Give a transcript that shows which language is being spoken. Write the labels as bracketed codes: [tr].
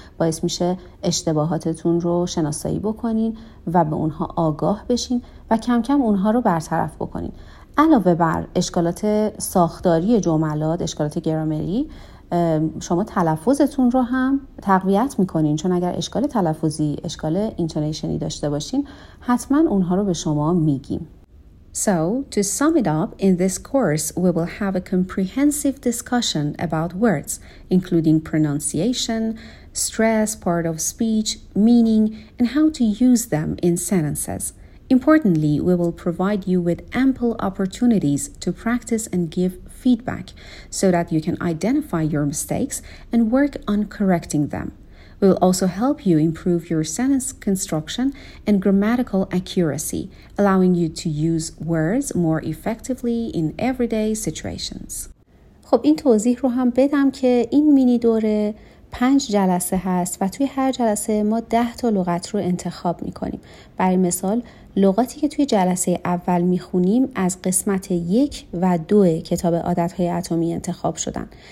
[fa] باعث میشه اشتباهاتتون رو شناسایی بکنین و به اونها آگاه بشین و کم کم اونها رو برطرف بکنین. علاوه بر اشکالات ساختاری جملات، اشکالات گرامری، شما تلفظتون رو هم تقویت میکنین، چون اگر اشکال تلفظی، اشکال اینتونیشنی داشته باشین، حتما اونها رو به شما میگیم. [en] So, to sum it up, in this course, we will have a comprehensive discussion about words, including pronunciation, stress, part of speech, meaning, and how to use them in sentences. Importantly, we will provide you with ample opportunities to practice and give feedback so that you can identify your mistakes and work on correcting them. We will also help you improve your sentence construction and grammatical accuracy, allowing you to use words more effectively in everyday situations. [fa] خب این توضیح رو هم بدم که این مینی دوره 5 جلسه هست و توی هر جلسه ما 10 تا لغت رو انتخاب می‌کنیم. برای مثال لغاتی که توی جلسه اول میخونیم از قسمت 1 و 2 کتاب عادتهای اتمی انتخاب شدن.